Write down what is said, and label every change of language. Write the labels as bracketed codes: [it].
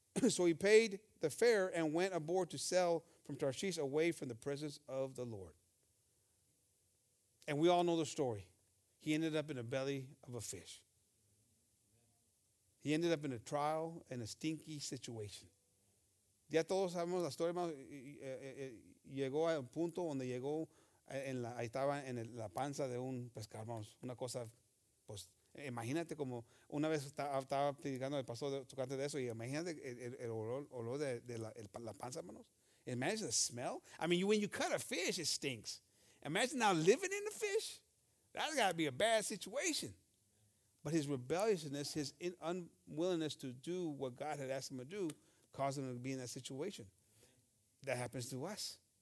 [en] So he paid the fare and went aboard to sail from Tarshish away from the presence of the Lord. And we all know the story. He ended up in the belly of a fish. He ended up in a trial and a stinky situation. [es] Ya todos sabemos la historia, hermano. Llegó al punto donde llegó, ahí estaba en la panza de un pescador, hermanos. Una cosa, pues, imagínate como una vez estaba predicando el pastor tocante de eso, y imagínate el olor de la panza, hermanos. [en] Imagine the smell. I mean, when you cut a fish, it stinks. Imagine now living in the fish. That's got to be a bad situation. But his rebelliousness, his unwillingness to do what God had asked him to do, caused him to be in that situation. That happens to us.